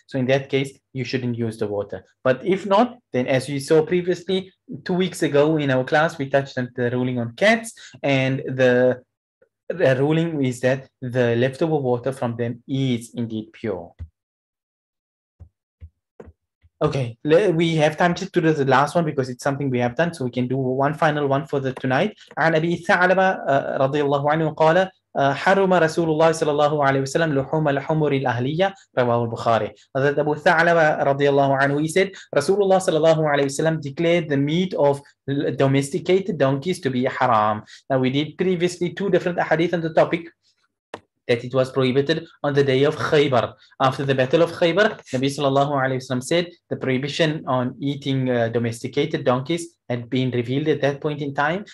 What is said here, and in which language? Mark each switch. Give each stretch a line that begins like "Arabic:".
English: So in that case, you shouldn't use the water. But if not, then as you saw previously, 2 weeks ago in our class, we touched on the ruling on cats, and the ruling is that the leftover water from them is indeed pure. Okay, we have time just to do the last one because it's something we have done, so we can do one final one for the tonight.
Arabic: عن أبي ثعلبة رضي الله عنه قال حرم رسول الله صلى الله عليه وسلم لحوم الحمر الأهلية رواه البخاري.
English: Hazrat Abu Tha'laba
Arabic: رضي الله عنه,
English: he said
Arabic: رسول الله صلى الله عليه وسلم
English: declared the meat of domesticated donkeys to be haram. Now we did previously two different ahadith on the topic, that it was prohibited on the day of Khaybar. After the battle of Khaybar, Nabi sallallahu alayhi wa sallam said the prohibition on eating domesticated donkeys had been revealed at that point in time.